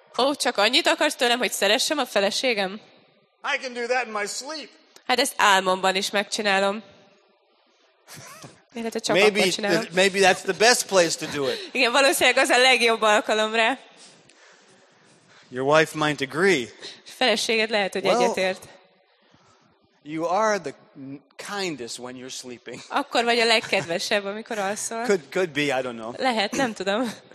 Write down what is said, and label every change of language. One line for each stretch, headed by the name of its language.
Hungarian: Oh, csak annyit akarsz tőlem, hogy szeressem a feleségem?
English: I can do that in my sleep.
Hungarian: Hát ezt álmomban is megcsinálom.
English: Maybe that's the best place to do it.
Hungarian: Igen, valószínűleg az a legjobb alkalom rá.
English: Your wife might agree.
Hungarian: Feleséged lehet, hogy egyetért.
English: You are the kindest when you're sleeping.
Hungarian: Akkor vagy a legkedvesebb, amikor alszol.
English: Could be, I don't know.
Hungarian: Lehet, nem tudom.